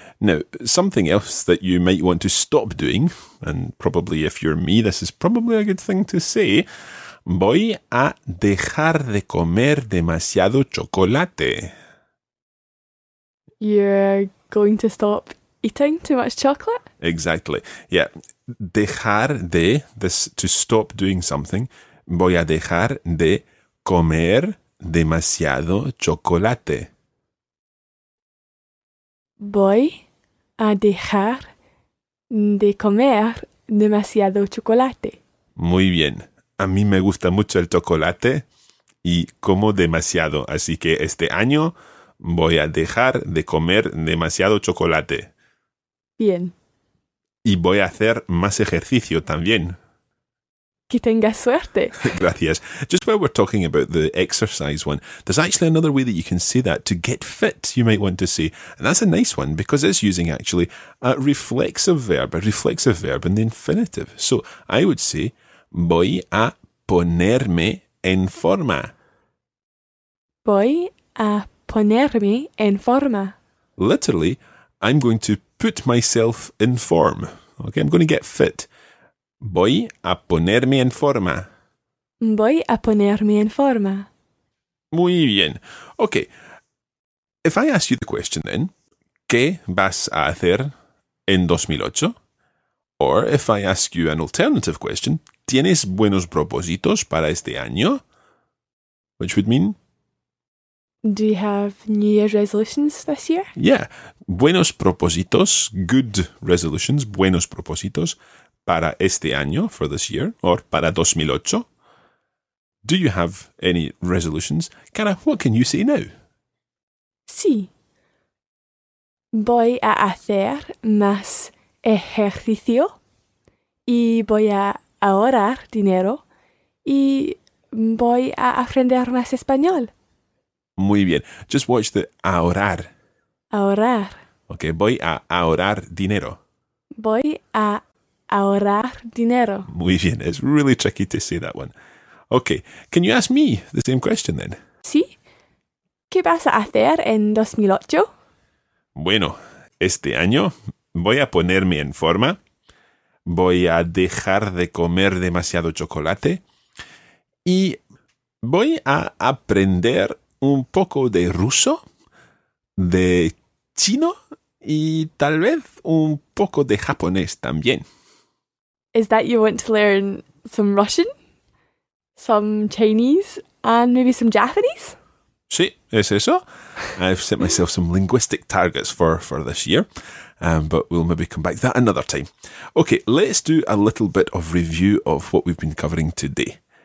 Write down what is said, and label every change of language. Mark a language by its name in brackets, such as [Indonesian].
[English] Now, something else that you might want to stop doing, and probably if you're me, this is probably a good thing to say, [Spanish] voy a dejar de comer demasiado chocolate. [English] You're going to stop eating too much chocolate? Exactly. Yeah. Dejar de, this to stop doing something. [Spanish] Voy a dejar de comer demasiado chocolate. Voy a dejar de comer demasiado chocolate. Muy bien. A mí me gusta mucho el chocolate y como demasiado, así que este año voy a dejar de comer demasiado chocolate. Bien. Y voy a hacer más ejercicio también. Que tengas suerte. Gracias. [English] Just while we're talking about the exercise one, there's actually another way that you can say that, to get fit, you might want to say. And that's a nice one because it's using actually a reflexive verb in the infinitive. So I would say, [Spanish] voy a ponerme en forma. Voy a ponerme en forma. [English] Literally, I'm going to put myself in form. Okay, I'm going to get fit. [Spanish] Voy a ponerme en forma. Voy a ponerme en forma. Muy bien. [English] Okay, if I ask you the question then, [Spanish] ¿qué vas a hacer en 2008? [English] Or if I ask you an alternative question, [Spanish] ¿tienes buenos propósitos para este año? [English] Which would mean? Do you have New Year's resolutions this year? Yeah. [Spanish] Buenos propósitos, [English] good resolutions, [Spanish] buenos propósitos para este año, [English] for this year, or [Spanish] para 2008. [English] Do you have any resolutions? Cara, what can you say now? [Spanish] Sí. Voy a hacer más ejercicio y voy a ahorrar dinero y voy a aprender más español. Muy bien. [English] Just watch the ahorrar. [Spanish] Ahorrar. Ok, voy a ahorrar dinero. Voy a ahorrar dinero. Muy bien. [English] It's really tricky to say that one. Ok, can you ask me the same question then? [Spanish] Sí. ¿Qué vas a hacer en 2008? Bueno, este año voy a ponerme en forma, voy a dejar de comer demasiado chocolate y voy a aprender un poco de ruso, de chino y tal vez un poco de japonés también. [English] Is that you want to learn some Russian, some Chinese and maybe some Japanese? [Spanish] Sí, es eso. [English] I've set myself some linguistic targets for this year, but we'll maybe come back to that another time. Okay, let's do a little bit of review of what we've been covering today.